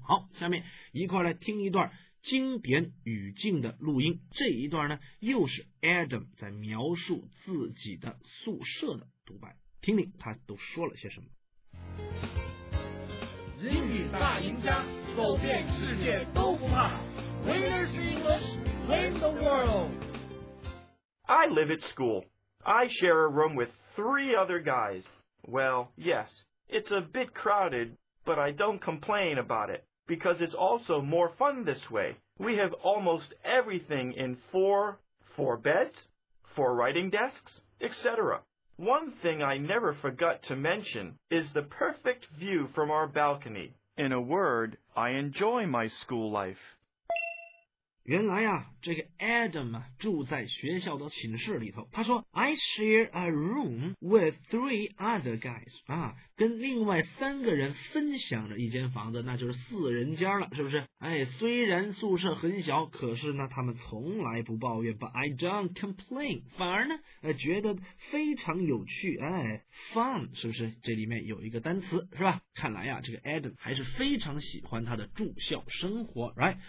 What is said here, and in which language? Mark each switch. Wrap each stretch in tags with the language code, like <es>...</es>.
<zh>好，下面一块来听一段经典语境的录音。这一段呢，又是 Adam 在描述自己的宿舍的独白，听听他都说了些什么。英语大赢家，走遍世界都不怕。</zh> <en>Winners English, win the world. I live at school. I share a room with three other guys. Well, yes, it's a bit crowded, but I don't complain about it. Because it's also more fun this way. We have almost everything in four beds, four writing desks, etc. One thing I never forgot to mention is the perfect view from our balcony. In a word, I enjoy my school life.</en> <zh>原来啊，这个 Adam 住在学校的寝室里头。他说</zh> <en>I share a room with three other guys.</en> <zh>啊，跟另外三个人分享着一间房子，那就是四人间了，是不是？哎，虽然宿舍很小，可是呢他们从来不抱怨，</zh> <en>but I don't complain，</en> <zh>反而呢觉得非常有趣，哎， fun， 是不是？这里面有一个单词，是吧？看来啊，这个 Adam 还是非常喜欢他的住校生活， right？</zh>